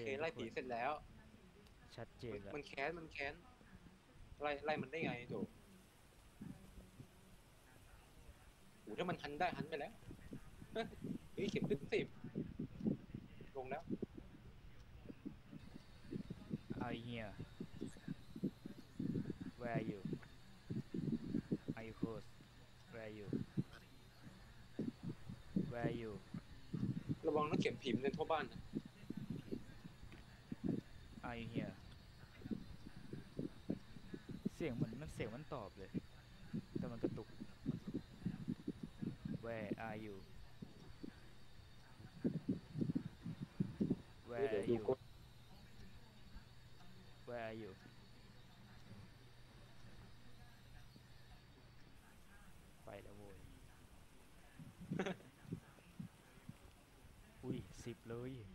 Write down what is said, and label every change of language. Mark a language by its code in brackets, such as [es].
[th] นไล่ผีเสร็จแล้ว ชัดเจน มันแค้นมันแค้นไล่มันได้ไงโหถ้ามันหันได้หันไปแล้วเฮ้ยเข็มตึ๊บสิบลงแล้ว ไอ้เหี้ย [en] Where are you Are you close Where are you Where are you [th] ระวังนักเข็มผีมันทั่วบ้านนะ [en] Are you here [th] เสียงมันเสียงมันตอบเลยแต่มันกระตุก [en] Where are you Where are you [th] Where are you ไปแล้วโว้ย อุ้ย10เลย